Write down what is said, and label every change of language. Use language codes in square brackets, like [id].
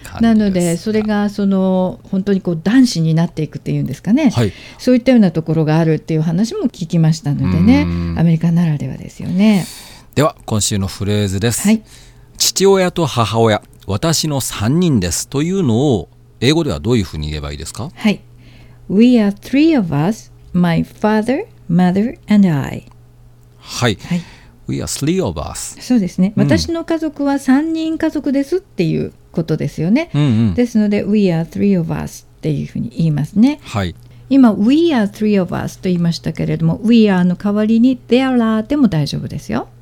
[ja] なのでそれがその本当にこう男子になっていくっていうんですかね、はい、そういったようなところがあるっていう話も聞きましたのでね、アメリカならではですよね。では今週のフレーズです。はい、父親と母親、私の3人ですというのを英語ではどういうふうに言えばいいですか。 [en] はい、 We are three of us, my father, mother and I。 [ja] はい、はい、 [en] We are three of us。 [ja] そうですね、うん、私の家族は3人家族ですっていうことですよね、うんうん、ですので [en] We are three of us [ja] っていうふうに言いますね。はい、今 [en] We are three of us [ja] と言いましたけれども、 [en] We are [ja] の代わりに [en] There are [ja] でも大丈夫ですよ。